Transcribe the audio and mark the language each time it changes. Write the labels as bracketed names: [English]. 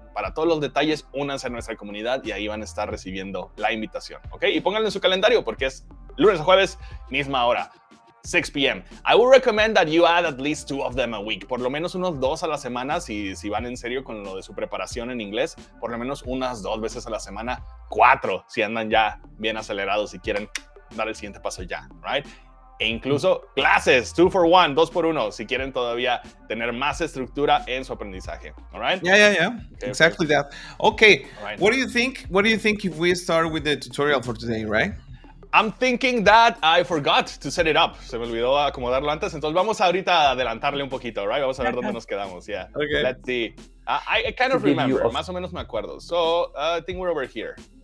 [Spanish] Para todos los detalles, únanse a nuestra comunidad y ahí van a estar recibiendo la invitación. ¿Ok? Y pónganlo en su calendario porque es lunes a jueves, misma hora, 6 p.m. [English] I would recommend that you add at least two of them a week. [Spanish] Por lo menos unos dos a la semana, si van en serio con lo de su preparación en inglés, por lo menos unas dos veces a la semana, cuatro, si andan ya bien acelerados y quieren dar el siguiente paso ya, ¿right? E incluso clases, 2-for-1, 2-for-1, si quieren todavía tener más estructura en su aprendizaje. [English] All right? Yeah. Okay, exactly okay. that. Okay. Right. What do you think if we start with the tutorial for today, right? I'm thinking that I forgot to set it up. [Spanish] Se me olvidó acomodarlo antes. Entonces vamos ahorita a adelantarle un poquito, right? Vamos a ver dónde nos quedamos. Yeah. [English] Okay. Let's see. I kind of remember. [Spanish] Más o menos me acuerdo. [English] So I think we're over here.